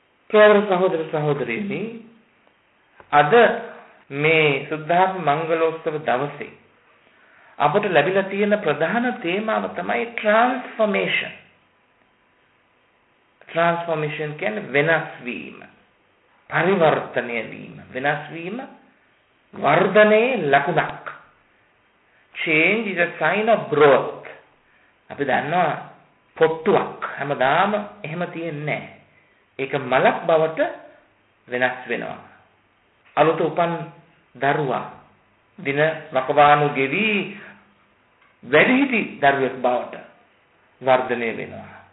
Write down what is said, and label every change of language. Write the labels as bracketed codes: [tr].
[si] ප්‍රියවර සහෝදර සහෝදරීනි, අද මේ සුද්ධාප මංගලෝත්සව දවසේ අපට ලැබිලා තියෙන ප්‍රධාන තේමාව තමයි ට්‍රාන්ස්ෆෝමේෂන්. ට්‍රාන්ස්ෆෝමේෂන් කියන්නේ වෙනස් වීම, පරිවර්තනය වීම, වෙනස් වීම වර්ධනයේ ලකුණක්. [en] Change is a sign of growth. [si] අපි දන්නවා පොට්ටුවක් හැමදාම එහෙම තියෙන්නේ නැහැ. ඒක මලක් බවට වෙනස් වෙනවා. අලුත උපන් දරුවා දින රකවානු ගෙවි වැඩිහිටි දරුවෙක් බවට වර්ධනය වෙනවා.